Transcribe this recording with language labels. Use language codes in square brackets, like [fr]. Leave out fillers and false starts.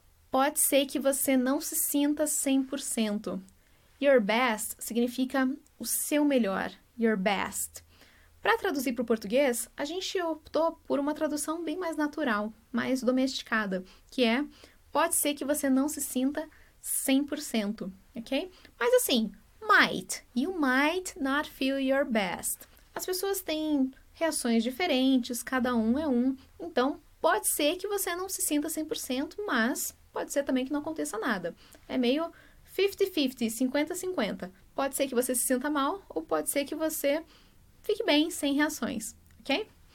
[pt] Pode ser que você não se sinta 100%. Your best significa o seu melhor, your best. Para traduzir para o português, a gente optou por uma tradução bem mais natural, mais domesticada, que é: pode ser que você não se sinta 100%, ok? Mas assim, [en] might, you might not feel your best. [pt] As pessoas têm reações diferentes, cada um é um, então pode ser que você não se sinta 100%, mas pode ser também que não aconteça nada. É meio 50-50, 50-50. Pode ser que você se sinta mal ou pode ser que você fique bem, sem reações, ok?